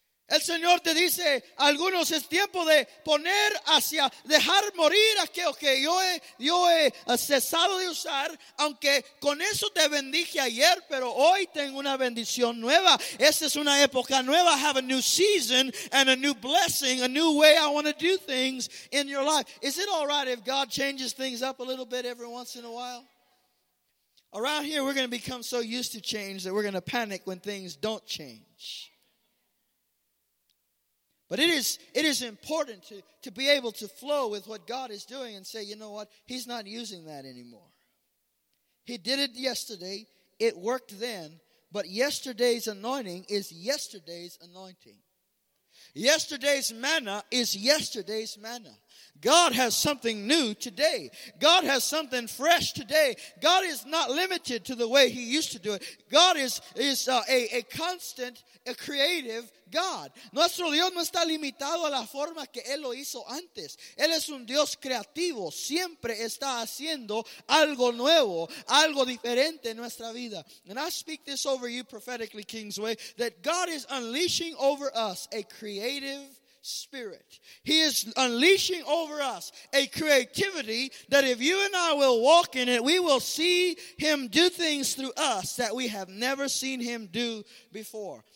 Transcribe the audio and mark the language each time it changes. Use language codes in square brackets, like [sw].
[es] El Señor te dice, algunos es tiempo de poner hacia, dejar morir aquello que yo he cesado de usar, aunque con eso te bendije ayer, pero hoy tengo una bendición nueva. Esta es una época nueva. [en] I have a new season and a new blessing, a new way I want to do things in your life. Is it all right if God changes things up a little bit every once in a while? Around here, we're going to become so used to change that we're going to panic when things don't change. But it is important to be able to flow with what God is doing and say, you know what, He's not using that anymore. He did it yesterday, it worked then, but yesterday's anointing is yesterday's anointing. Yesterday's manna is yesterday's manna. God has something new today. God has something fresh today. God is not limited to the way He used to do it. God is a constant, a creative God. [es] Nuestro Dios no está limitado a la forma que Él lo hizo antes. Él es un Dios creativo. Siempre está haciendo algo nuevo, algo diferente en nuestra vida. [en] And I speak this over you prophetically, Kingsway, that God is unleashing over us a creative spirit. He is unleashing over us a creativity that if you and I will walk in it, we will see Him do things through us that we have never seen Him do before.